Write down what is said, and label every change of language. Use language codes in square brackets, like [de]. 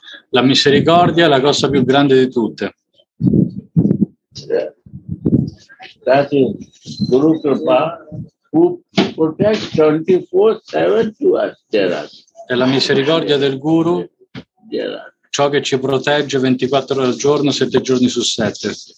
[it] La misericordia è la cosa più grande di tutte. [en] Yeah. That is Guru Kripa who protects 24/7 to us. [it] È la misericordia del Guru, ciò che ci protegge 24 ore al giorno, 7 giorni su 7.